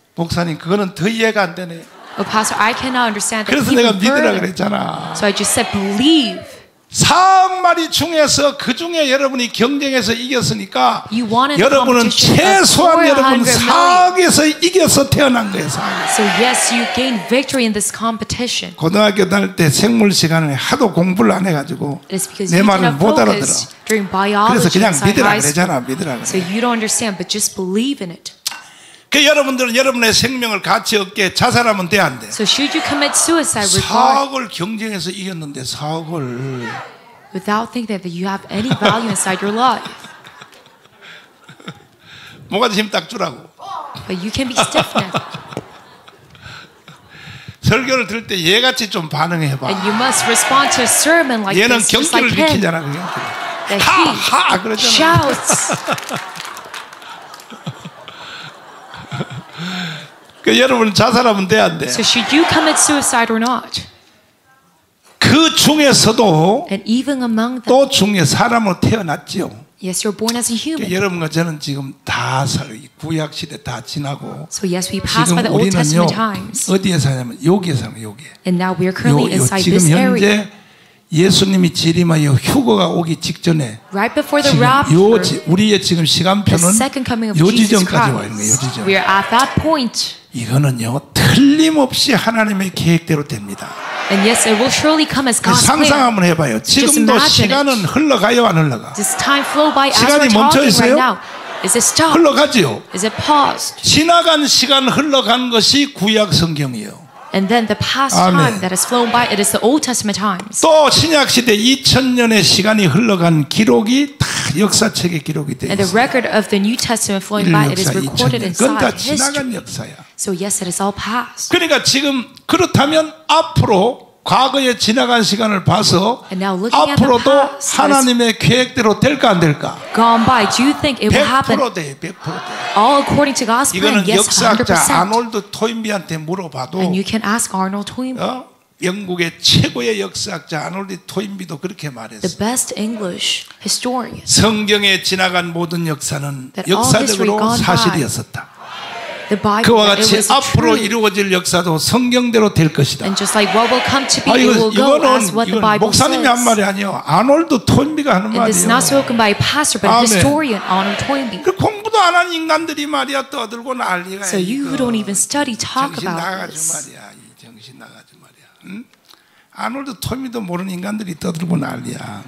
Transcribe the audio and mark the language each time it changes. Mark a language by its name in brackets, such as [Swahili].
[Korean] 목사님 그거는 더 이해가 안 되네. [English] Oh, pastor, I cannot understand that. [Korean] 그래서 내가 믿으라 그랬잖아. [English] So I just said believe. [Korean] 4억 마리 중에서 그 중에 여러분이 경쟁해서 이겼으니까 여러분은 최소한 여러분 4억에서 이겨서 태어난 거예요. [English] So yes, you gained victory in this competition. [Korean] 고등학교 다닐 때 생물 시간에 하도 공부를 안 해가지고 내 말을 못 알아들어. [English] During biology, [Korean] 그래서 그냥 믿으라 그랬잖아. 믿으라 그래. [English] So you don't understand, but just believe in it. [Korean] 그 여러분들은 여러분의 생명을 가치 없게 자살하면 돼 안 돼? [English] So should you commit suicide? [Korean] 4억을 경쟁해서 이겼는데 4억을 [English] without thinking that you have any value inside your life. [Korean] 뭐가 힘 딱 주라고. [English] But you can be stiff now. [Korean] 설교를 들을 때 얘같이 좀 반응해 봐. [English] And you must respond to a sermon like this. [Korean] 얘는 경기를 일으키잖아. 하하 그러잖아. [English] Shouts. [Korean] 그 여러분 자살하면 돼 안 돼? [English] So should you commit suicide or not? [Korean] 그 중에서도 [English] And even among them, [Korean] 또 중에 사람으로 태어났지요. [English] Yes, you're born as a human. [Korean] 여러분과 저는 지금 다 구약 시대 다 지나고 [English] So yes, we passed by the Old Testament times. [Korean] 어디에 사냐면 여기에 사는 여기에. [English] And now we're currently inside this area. [Korean] 지금 현재 예수님이 재림하여 휴거가 오기 직전에 [English] Right before the rapture. [Korean] 요지 우리의 지금 시간표는 요지점까지 와 있는 거예요, 요지점. [English] We are at that point. [Korean] 이거는요, 틀림없이 하나님의 계획대로 됩니다. [English] And yes, it will surely come as God's plan. [Korean] 상상 한번 해봐요. 지금도 시간은 흘러가요, 안 흘러가? [English] Does time flow by as we're talking right now? Is it stopped? [Korean] 흘러가지요. [English] Is it paused? [Korean] 지나간 시간 흘러간 것이 구약 성경이요. [English] And then the past time that has flown by, it is the Old Testament times. [Korean] 또 신약 시대 2000년의 시간이 흘러간 기록이 다 역사책에 기록이 돼. [English] And the record of the New Testament flowing by, it is recorded inside. [Korean] 그건 다 지나간 역사야. [English] So yes, it is all past. [Korean] 그러니까 지금 그렇다면 앞으로 과거의 지나간 시간을 봐서 앞으로도 [English] past, [Korean] 하나님의 계획대로 될까 안 될까? [English] Gone by. Do you think it will happen? [Korean] 100%대, 100%대. [English] All according to God's plan. [Korean] 이거는 [English] yes, [Korean] 역사학자 아놀드 토인비한테 물어봐도 [English] And you can ask Arnold Toynbee. 어? [Korean] 영국의 최고의 역사학자 아놀드 토인비도 그렇게 말했어. [English] The best English historian. [Korean] 성경에 지나간 모든 역사는 역사적으로 사실이었었다. [English] The Bible, [Korean] 그와 같이 [English] it was [Korean] 앞으로 [English] true. [Korean] 이루어질 역사도 성경대로 될 것이다. [English] And just like what will come to be, it will go as what the Bible says. [Korean] 목사님이 한 말이 아니요. 아놀드 토인비가 하는 [English] And [Korean] 말이에요. [English] And it's not spoken by a pastor, but a historian, Arnold Toynbee. [Korean] 그 공부도 안 한 인간들이 말이야 떠들고 난리가. [English] So you who don't even study talk about this. [Korean] 정신 나가지 말이야. 정신 나가지 말이야. 응? 아놀드 토인비도 모르는 인간들이 떠들고 난리야.